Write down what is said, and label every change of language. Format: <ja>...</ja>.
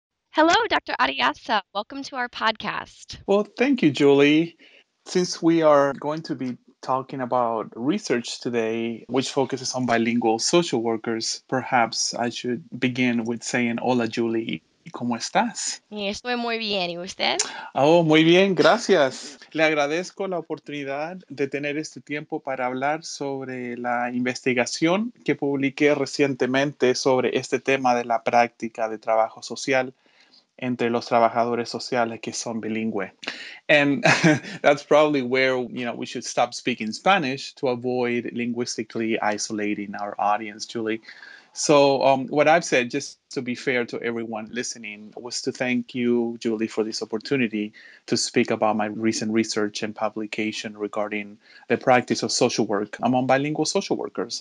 <en>Hello, Dr. Arriaza. Welcome to our podcast. Well, thank you, Julie. Since we are going to be talking about research today, which focuses on bilingual social workers, perhaps I should begin with saying, hola, Julie.</en> <es>¿Cómo estás? Estoy muy bien. ¿Y usted? Oh, muy bien. Gracias. Le agradezco la oportunidad de tener este tiempo para hablar sobre la investigación que publiqué recientemente sobre este tema de la práctica de trabajo social entre los trabajadores sociales que son bilingüe.</es> <en>And that's probably where, you know, we should stop speaking Spanish to avoid linguistically isolating our audience, Julie. So what I've said, just to be fair to everyone listening, was to thank you, Julie, for this opportunity to speak about my recent research and publication regarding the practice of social work among bilingual social workers.</en>